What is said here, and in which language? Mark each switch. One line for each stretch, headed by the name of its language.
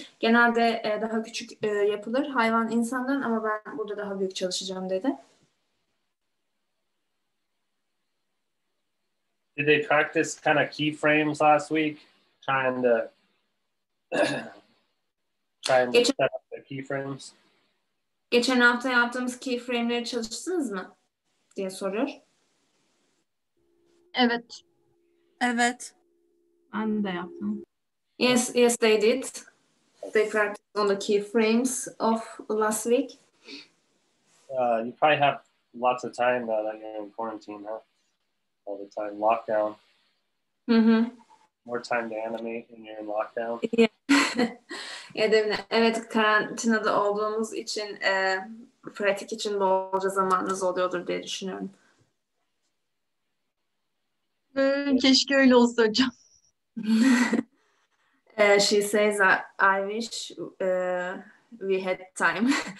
Turkish: Genelde daha küçük yapılır hayvan insandan ama ben burada daha büyük çalışacağım dedi.
English: Did they practice kind of keyframes last week? Trying to set up the keyframes?
Turkish: Geçen hafta yaptığımız keyframe'leri çalıştınız mı? Diye soruyor. Evet. Evet. Ben de yaptım.
English: Yes, they did. They practiced on the keyframes of last week. You probably have lots of time now that you're in quarantine, huh? All the time, lockdown. Mm-hmm. More time to animate when you're in lockdown. Yeah.
Turkish: Evet, karantinada olduğumuz için, pratik için bolca zamanınız oluyordur diye düşünüyorum. Keşke öyle olsa hocam.
English: She says I wish we had time.